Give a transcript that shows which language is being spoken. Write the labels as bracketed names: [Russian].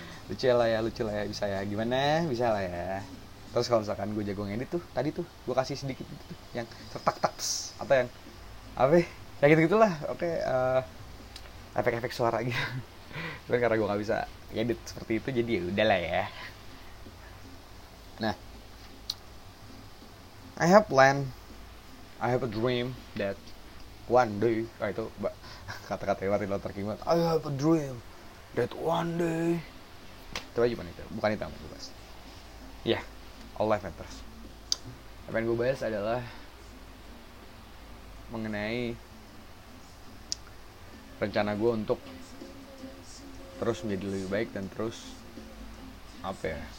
[Indonesian] lucu lah ya. Bisa ya. Gimana? Bisa lah ya. Terus kalau misalkan gue jago ngedit tuh, tadi tuh gue kasih sedikit itu tuh, yang tertak-taks atau yang apa ya, gitu-gitulah. Oke, efek-efek suara gitu. Cuman karena gue gak bisa ngedit seperti itu, jadi ya udahlah ya. [English] Nah, I have plan, I have a dream that one day, [Indonesian] oh itu kata-kata yang [English] Martin Luther King, I have a dream that one day. [Indonesian] Coba gimana itu, bukan itu yang gue bahas. Iya, yeah. [English] All life matters. [Indonesian] Apa yang gue bahas adalah mengenai rencana gue untuk terus menjadi lebih baik dan terus apa ya?